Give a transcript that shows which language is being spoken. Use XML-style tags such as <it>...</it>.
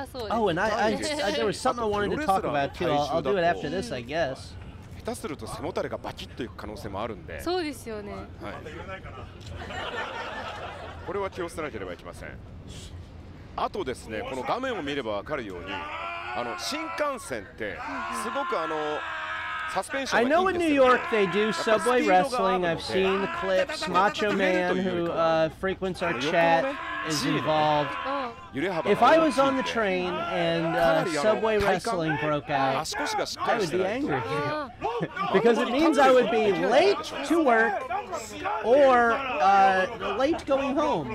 <en>Oh, and I there was something I wanted to talk about too. I'll do it after this, I guess.</en> <ja>下手すると背もたれがバキッといく可能性もあるんで。そうですよね、はい、これは気をつけなければいけません。あとですね、この画面を見れば分かるように、あの新幹線ってすごくあのサスペンションがいいんですよね。</ja> <en>I know in New York they do subway wrestling. I've seen the clips. Macho Man, who frequents our chat, is involved. If I was on the train and subway wrestling broke out, I would be angry. Because it means I would be late to work or late going home.</en>